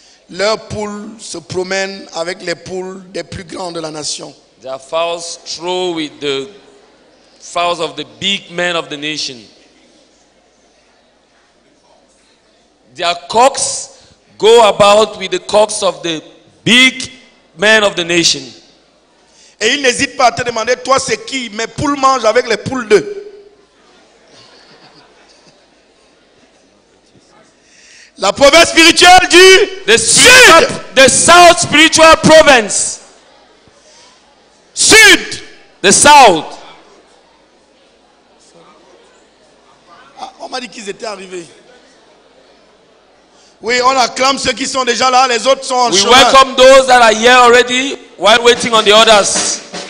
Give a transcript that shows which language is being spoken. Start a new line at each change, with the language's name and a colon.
French: Leurs poules se promènent avec les poules des plus grands de la nation.
English: Their fowls stroll with the fowls of the big men of the nation. Their cocks go about with the cocks of the big men of the nation.
French: Et il n'hésite pas à te demander, toi c'est qui? Mes poules mangent avec les poules d'eux. La province spirituelle du
English: the sud,
French: sud,
English: the south spiritual province.
French: Sud,
English: the south.
French: Ah, on m'a dit qu'ils étaient arrivés. Oui, on acclame ceux qui sont déjà là, les autres sont en
English: we
French: chemin.
English: We welcome those that are here already while waiting on the others.